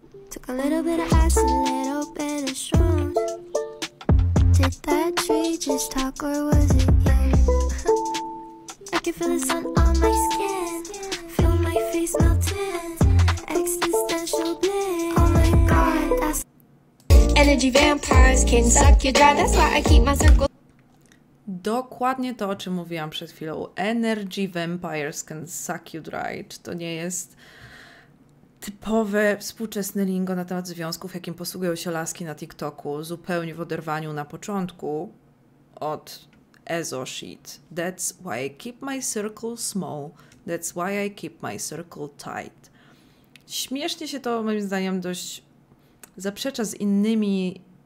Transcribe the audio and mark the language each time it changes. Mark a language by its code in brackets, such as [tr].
[en] Took a little bit of ice, a little bit of strong. Did that tree just talk or was it you? I can feel the sun on my skin. Feel my face melting. Existential bliss. Oh my god, that's energy vampires can suck you dry. That's why I keep my circle. [pl] Dokładnie to, o czym mówiłam przed chwilą. [en] Energy vampires can suck you dry. [pl] Czy to nie jest typowe współczesne lingo na temat związków, jakim posługują się laski na TikToku, zupełnie w oderwaniu na początku od Ezo shit. [en] That's why I keep my circle small. That's why I keep my circle tight. [pl] Śmiesznie się to moim zdaniem dość zaprzecza z innymi